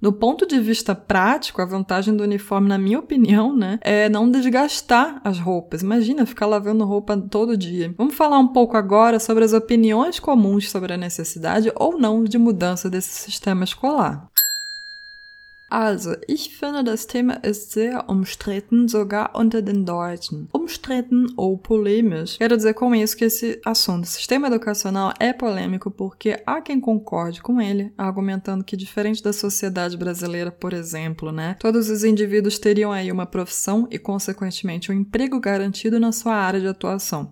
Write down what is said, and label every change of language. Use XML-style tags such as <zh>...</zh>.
<pt>Do ponto de vista prático, a vantagem do uniforme, na minha opinião, né, é não desgastar as roupas. Imagina ficar lavando roupa todo dia. Vamos falar um pouco agora sobre as opiniões comuns sobre a necessidade ou não de mudança desse sistema escolar.</pt> <de>Also, ich finde, das Thema ist sehr umstritten, sogar unter den Deutschen. Umstritten ou polêmisch.</de> <pt>Quero dizer com isso que esse assunto, sistema educacional, é polêmico porque há quem concorde com ele, argumentando que, diferente da sociedade brasileira, por exemplo, né, todos os indivíduos teriam aí uma profissão e, consequentemente, um emprego garantido na sua área de atuação.</pt>